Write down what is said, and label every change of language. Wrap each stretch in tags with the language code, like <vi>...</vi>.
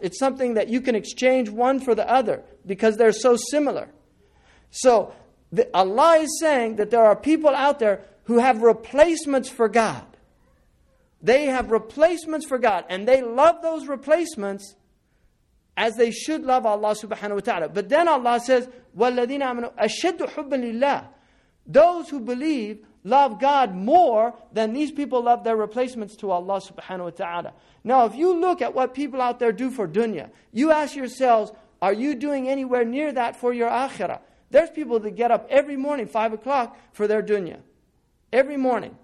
<en>It's something that you can exchange one for the other because they're so similar. So Allah is saying that there are people out there who have replacements for God. They have replacements for God, and they love those replacements as they should love Allah subhanahu wa ta'ala. But then Allah says,</en> <ar>وَالَّذِينَ آمَنُوا أَشَدُّ حُبًّا لِلَّهِ.</ar> <en>Those who believe love God more than these people love their replacements to Allah subhanahu wa ta'ala. Now, if you look at what people out there do for dunya, you ask yourselves, are you doing anywhere near that for your akhirah? There's people that get up every morning, 5 o'clock, for their dunya. Every morning.</en>